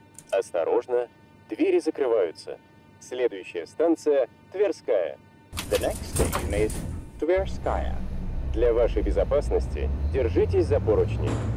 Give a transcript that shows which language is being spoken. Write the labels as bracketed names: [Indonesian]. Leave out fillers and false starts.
[Russian] Осторожно, двери закрываются. Следующая станция – Тверская. [English] The next station is Тверская. [Russian] Для вашей безопасности держитесь за поручни.